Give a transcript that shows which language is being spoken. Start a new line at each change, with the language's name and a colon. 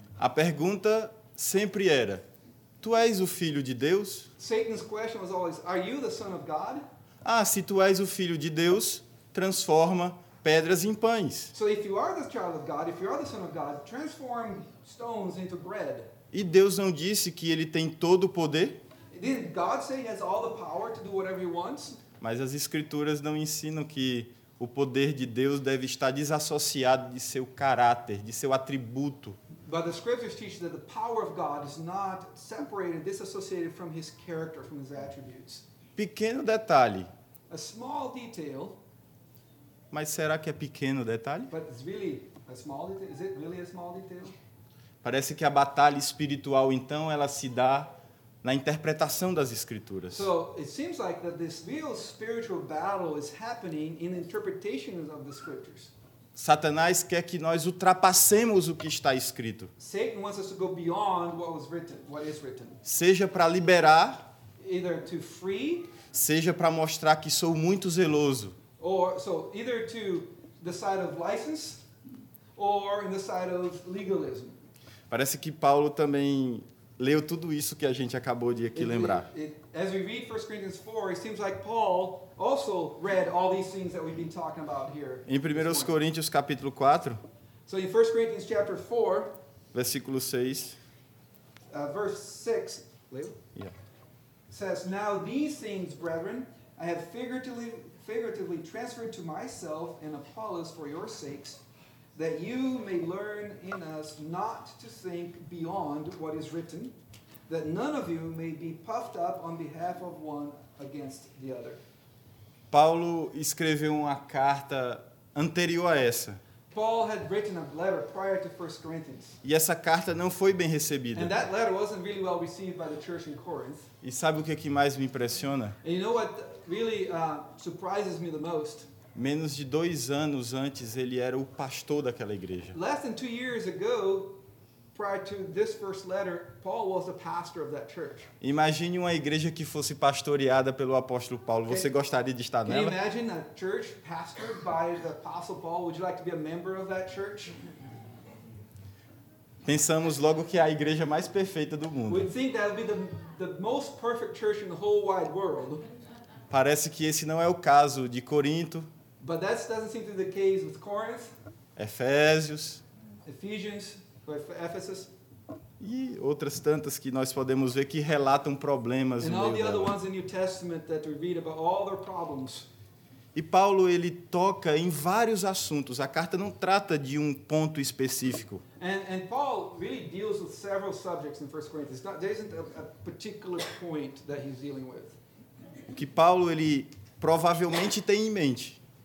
Portuguese: A pergunta sempre era: tu és o filho de Deus?
English: Satan's question was always, are you the son of God?
Portuguese: Ah, se tu és o filho de Deus, transforma pedras em pães.
English: So if you are the child of God, if you are the son of God, transform stones into bread.
Portuguese: E Deus não disse que ele tem todo o poder?
English: Didn't God say he has all the power to do whatever he wants?
Portuguese: Mas as escrituras não ensinam que o poder de Deus deve estar desassociado de seu caráter, de seu atributo.
English: But the scriptures teach that the power of God is not separated, disassociated from his character, from his attributes.
Portuguese: Pequeno detalhe.
English: A small detail.
Portuguese: Mas será que é pequeno detalhe?
English: But it's really a small detail. Is it really a small detail?
Portuguese: Parece que a batalha espiritual, então, ela se dá na interpretação das escrituras.
English: So, it seems like that this real spiritual battle is happening in the interpretation of the scriptures.
Portuguese: Satanás quer que nós ultrapassemos o que está escrito.
English: Satan wants us to go beyond what was written, what is written.
Portuguese: Seja para liberar,
English: either to free,
Portuguese: seja para mostrar que sou muito zeloso.
English: Or so either to the side of license or in the side of legalism.
Portuguese: Parece que Paulo também leu tudo isso que a gente acabou de aqui lembrar.
English: As we read 1 Corinthians 4, it seems like Paul also read all these things that we've been talking about here.
Portuguese: Em 1 Coríntios capítulo 4,
English: so in 1 Corinthians chapter 4,
Portuguese: versículo 6,
English: verse 6, Leo? Yeah. Says, now these things, brethren, I have figuratively transferred to myself and Apollos for your sakes, that you may learn in us not to think beyond what is written, that none of you may be puffed up on behalf of one against the other.
Portuguese: Paulo escreveu uma carta anterior a essa.
English: Paul had written a letter prior to 1 Corinthians.
Portuguese: E essa carta não foi bem recebida.
English: And that letter wasn't really well received by the church in Corinth.
Portuguese: E sabe o que mais me impressiona?
English: And you know what really surprises me the most?
Portuguese: Menos de 2 anos antes, ele era o pastor daquela igreja.
English: Less than 2 years ago, prior to this first letter, Paul was the pastor of that church.
Portuguese: Imagine uma igreja que fosse pastoreada pelo apóstolo Paulo. Você gostaria de estar nela?
English: Can you imagine a church pastored by the apostle Paul? Would you like to be a member of that church?
Portuguese: Pensamos logo que é a igreja mais perfeita do mundo.
English: We think that would be the most perfect church in the whole wide world.
Portuguese: Parece que esse não é o caso de Corinto.
English: But that doesn't seem to be the case with Corinth.
Portuguese: Efésios.
English: Ephesians. Ephesus.
Portuguese: E outras tantas que nós podemos ver que relatam problemas.
English: And all the other ones in the New Testament that we read about all their problems.
Portuguese: E Paulo, ele toca em vários assuntos. A carta não trata de um ponto específico.
English: And Paul really deals with several subjects in 1 Corinthians. There isn't a particular point that he's dealing with.
Portuguese: O que Paulo, ele provavelmente tem em mente.